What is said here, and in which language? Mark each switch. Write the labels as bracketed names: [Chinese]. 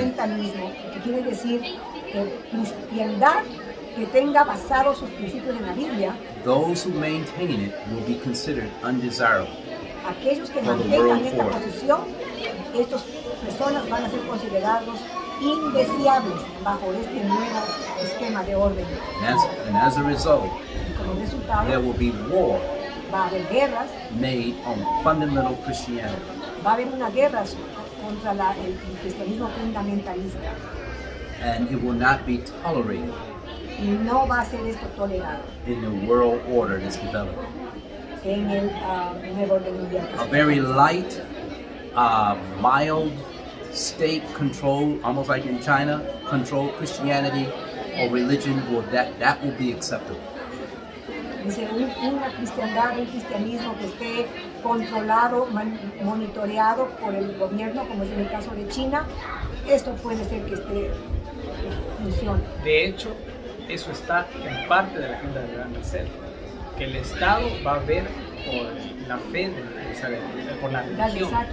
[Spanish] fundamentalismo, que quiere decir que cristiandad que tenga basados sus principios en la Biblia, [English] those who maintain it will be considered undesirable. [Spanish] Aquellos que mantengan esta posición, estas personas van a ser considerados indeseables bajo este nuevo esquema de orden. [English] And as a result, there will be war [Spanish] va a haber guerras [English] made on fundamental Christianity. [Spanish] Va a haber una guerra contra el cristianismo fundamentalista. [English] And it will not be tolerated. [Spanish] Y no va a ser esto tolerado. [English] In the world order that's developing. [Spanish] En el nuevo orden mundial. [English] A very light, mild state control, almost like in China, control Christianity or religion, that will be acceptable. [Spanish] Dice, una cristiandad, un cristianismo que esté controlado, monitoreado por el gobierno, como es en el caso de China, esto puede ser que esté funcione. De hecho, eso está en parte de la agenda del Gran Reset, que el Estado va a ver por la fe de Israel, por la religión.